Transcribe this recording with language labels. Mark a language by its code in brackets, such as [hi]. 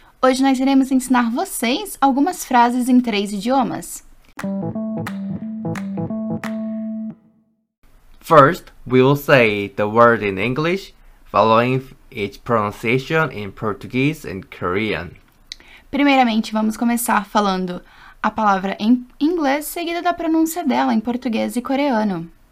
[pt] Hoje nós iremos ensinar vocês algumas frases em três idiomas. [en] First, we will say the word in English, following its pronunciation in Portuguese and Korean. [pt] Primeiramente, vamos começar falando a palavra em inglês, seguida da pronúncia dela em português e coreano.